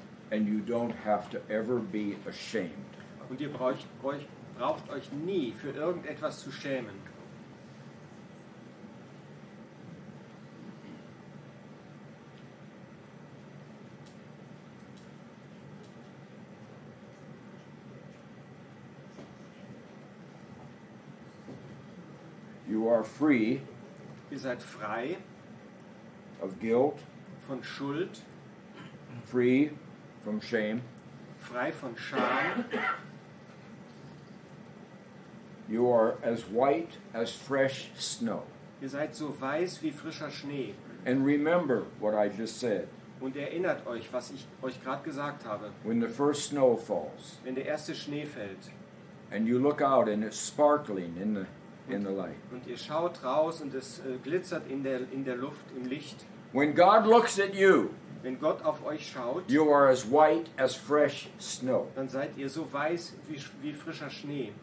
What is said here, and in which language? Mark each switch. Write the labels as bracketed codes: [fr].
[en] And you don't have to ever be ashamed. [de] Und ihr braucht euch nie für irgendetwas zu schämen. [en] You are free. [de] Ihr seid frei. [en] Of guilt. [de] Von Schuld. [en] Free. From shame. [de] Frei von Scham. [en] You are as white as fresh snow. [de] Ihr seid so weiß wie frischer Schnee. [en] And remember what I just said. [de] Und erinnert euch, was ich euch gerade gesagt habe. [en] When the first snow falls. [de] Wenn der erste Schnee fällt. [en] And you look out and it's sparkling in the light. [de] Und ihr schaut raus und es glitzert in der Luft im Licht. [en] When God looks at you. [de] Wenn Gott auf euch schaut, [en] you are as white as fresh snow. [de] Dann seid ihr so weiß wie frischer Schnee.